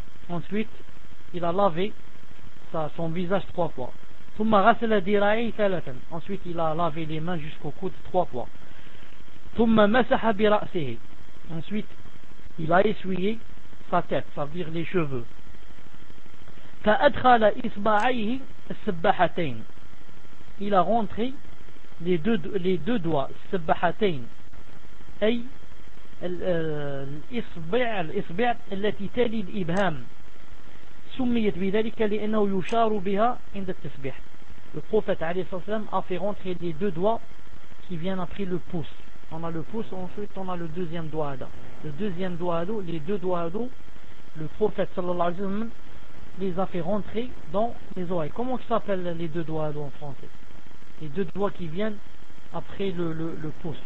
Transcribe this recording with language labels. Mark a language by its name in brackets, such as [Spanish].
[French] Ensuite, il a lavé son visage trois fois. [Arabic] ثم غسل ذراعيه ثلاثا. [French] Ensuite, il a lavé les mains jusqu'au coude trois fois. [Arabic] ثم مسح برأسه. [French] Ensuite, il a essuyé sa tête, c'est-à-dire les cheveux. [Arabic] فأدخل إصبعيه السباحتين. [French] Il a rentré les deux doigts, السباحتين. [Arabic] أي الإصبع التي تلي الإبهام. سميت بذلك لأنه يشار بها عند التسبيح. [French] Le prophète عليه الصلاة والسلام a fait rentrer les deux doigts qui viennent après le pouce. On a le pouce, ensuite on a le deuxième doigt là. Le deuxième doigt là, les deux doigts là, le prophète sallallahu alayhi wa sallam les a fait rentrer dans les oreilles. Comment ça s'appelle les deux doigts là en français? Les deux doigts qui viennent après le pouce.